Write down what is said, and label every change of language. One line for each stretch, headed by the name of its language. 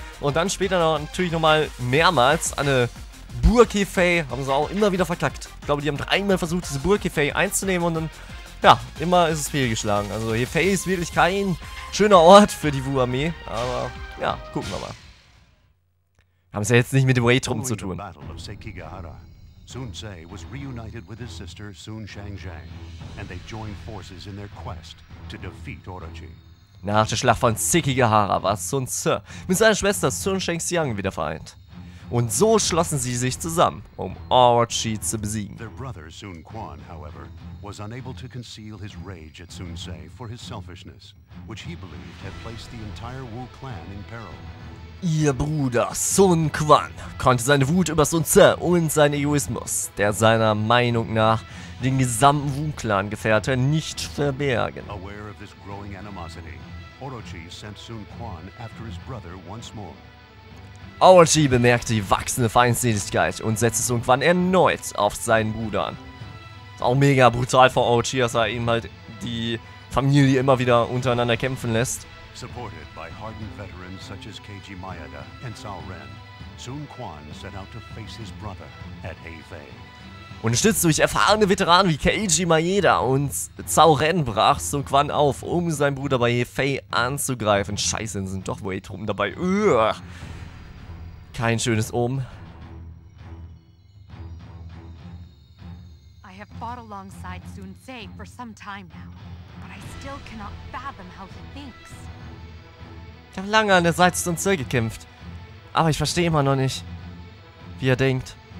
German: Und dann später noch, natürlich nochmal mehrmals an eine Burg Yefei haben sie auch immer wieder verkackt. Ich glaube, die haben dreimal versucht, diese Burg Yefei einzunehmen und dann, ja, immer ist es fehlgeschlagen. Also Yefei ist wirklich kein schöner Ort für die Wu-Armee, aber... ja, gucken wir mal. Haben es ja jetzt nicht mit dem Wei-Truppen zu tun.
English: Battle of Sekigahara. Sun Ze was reunited with his sister Sun Shangzhang and they joined forces in their quest to defeat Orochi.
German: Nach der Schlacht von Sekigahara war Sun Ze mit seiner Schwester Sun Shangxiang wieder vereint. Und so schlossen sie sich zusammen, um Orochi zu besiegen.
English: Their brother Sun Quan, however, was unable to conceal his rage at Sun Ze for his selfishness, which he believed had placed the entire Wu clan in peril.
German: Ihr Bruder Sun Quan konnte seine Wut über Sun Ze und seinen Egoismus, der seiner Meinung nach den gesamten Wu Clan gefährdete, nicht verbergen.
English: Aware of this growing animosity, Orochi sent Sun Quan after his brother once more.
German: Orochi bemerkte die wachsende Feindseligkeit und setzte Sun Quan erneut auf seinen Bruder an. Auch mega brutal von Orochi, dass er eben halt die Familie immer wieder untereinander kämpfen lässt.
English: Supported by hardened veterans such as Keiji Maeda and Cao Ren, Sun Quan set out to face his brother at Heifei.
German: Unterstützt durch erfahrene Veteranen wie Keiji Maeda und Cao Ren brach Sun Quan auf, um seinen Bruder bei Heifei anzugreifen. Scheiße, sind doch Wei-Truppen dabei. Uah. Kein schönes Omen.
English: I have fought alongside Sun Ze for some time now, but I still cannot fathom how he thinks.
German: Ich habe lange an der Seite Sun Ze gekämpft, aber ich verstehe immer noch nicht, wie er denkt.